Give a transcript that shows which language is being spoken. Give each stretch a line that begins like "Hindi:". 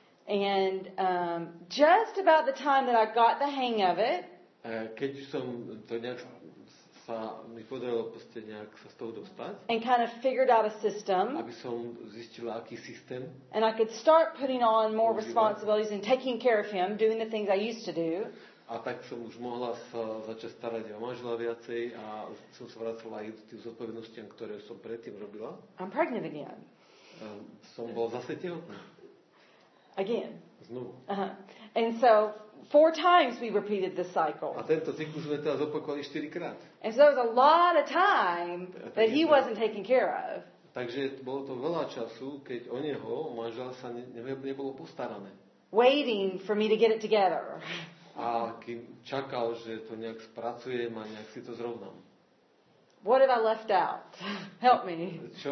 English: And just about the time that I got the hang of it,
Slovak: keď som to nejak sa mi podarilo proste nejak sa z toho dostať,
English: and kind of figured out a system,
Slovak: aby som zistila, aký systém,
English: and I could start putting on more responsibilities and taking care of him, doing the things I used to do.
Slovak: A tak som už mohla sa začať starať o manžela viacej a som sa vracala aj k tým zodpovednostiam, ktoré som predtým robila.
English: I'm pregnant again.
Slovak: Som bol zase tehotná.
English: Again.
Slovak: Znovu. Uh-huh.
English: And so four times we repeated this cycle.
Slovak: A tento cyklus sme teraz opakovali 4 krát.
English: And so it was a lot of time that he wasn't taking care of.
Slovak: Takže bolo to veľa času, keď o neho manžela sa nebolo postarané.
English: Waiting for me to get it together.
Slovak: A kým čakal, že to nejak spracujem a nejak si to zrovnám.
English: What have I left out? Help me.